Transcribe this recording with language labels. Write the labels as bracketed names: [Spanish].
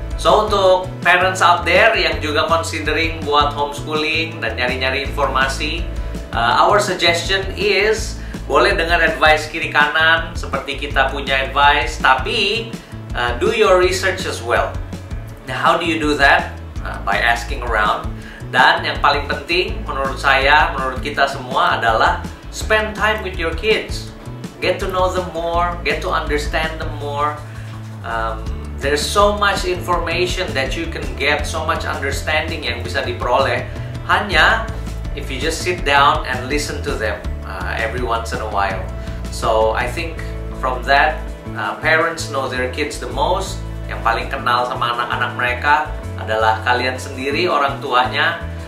[English] So [Indonesian] untuk [English] parents out there [Indonesian] yang juga [English] considering [Indonesian] buat [English] homeschooling [Indonesian] dan nyari-nyari informasi, [English] our suggestion is [Indonesian] boleh dengar [English] advice [Indonesian] kiri kanan seperti kita punya [English] advice, [Indonesian] tapi [English] do your research as well. Now, how do you do that? By asking around. [Indonesian] Dan yang paling penting menurut saya, menurut kita semua adalah [English] spend time with your kids. Get to know them more, get to understand them more. There's so much information that you can get, so much understanding [Indonesian] yang bisa diperoleh. Hanya [English] if you just sit down and listen to them every once in a while. So I think from that, parents know their kids the most. [Indonesian] Yang paling kenal sama anak-anak mereka adalah kalian sendiri, orang tuanya.